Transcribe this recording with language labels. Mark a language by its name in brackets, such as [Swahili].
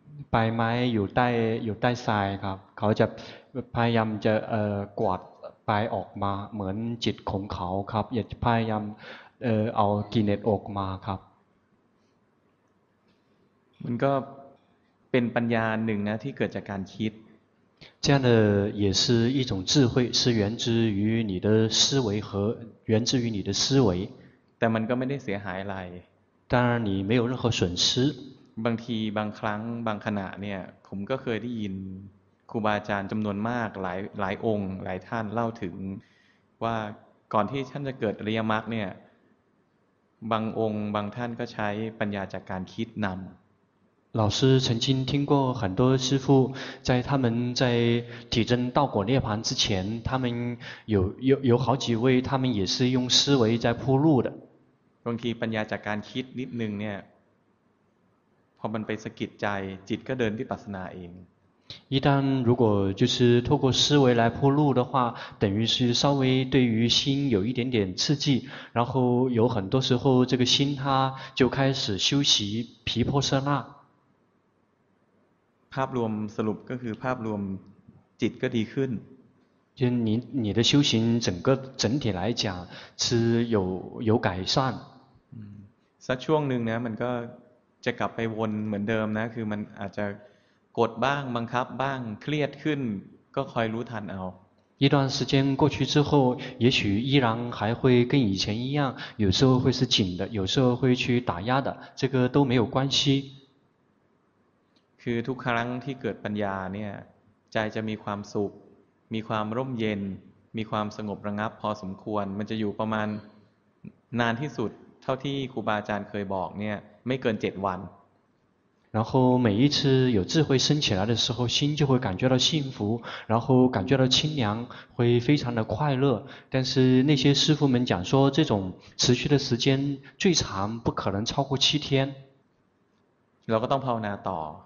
[Thai] ใบไม้อยู่ใต้ทรายครับเขาจะพยายามจะกวาดไปออกมาเหมือนจิตของเขาครับอยากจะพยายามเอากิเลสออกมาครับ มันก็เป็นปัญญาหนึ่งนะที่เกิดจากการคิด [Chinese] 这样的也是一种智慧是源自于你的思维和源自于你的思维 [Thai] แต่มันก็ไม่ได้เสียหายอะไร [Chinese] 当然你没有任何损失 [Thai] บางทีบางครั้งบางขณะเนี่ยผมก็เคยได้ยินครูบาอาจารย์จำนวนมากหลายองค์หลายท่านเล่าถึงว่าก่อนที่ท่านจะเกิดอริยมรรคเนี่ยบางองค์บางท่านก็ใช้ปัญญาจากการคิดนำ [Chinese] 老师曾经听过很多师父在他们在体证道果涅槃之前他们有好几位他们也是用思维在铺路的 [Thai] บางทีปัญญาจากการคิดนิดนึงเนี่ยพอมันไปสะกิดใจจิตก็เดินที่ปัสสนาเอง [Chinese] 一旦如果就是透过思维来铺路的话等于是稍微对于心有一点点刺激然后有很多时候这个心它就开始修习毗婆舍那 [Thai] ภาพรวมสรุปก็คือภาพรวมจิตก็ดีขึ้น [Chinese] 就你的修行整体来讲是有改善 [Thai] สักช่วงหนึ่งนะมันก็จะกลับไปวนเหมือนเดิมนะคือมันอาจจะกดบ้างบังคับบ้างเครียดขึ้นก็คอยรู้ทันเอา [Chinese] 一段时间过去之后也许依然还会跟以前一样有时候会是紧的有时候会去打压的这个都没有关系 [Thai] คือทุกครั้งที่เกิดปัญญาเนี่ยใจจะมีความสุขมีความร่มเย็นมีความสงบระงับพอสมควรมันจะอยู่ประมาณนานที่สุดเท่าที่ครูบาอาจารย์เคยบอกเนี่ยไม่เกิน7วัน [Chinese] 然后每一次有智慧升起来的时候心就会感觉到幸福然后感觉到清凉会非常的快乐但是那些师父们讲说这种持续的时间最长不可能超过7天 [Thai] เราก็ต้องภาวนาต่อ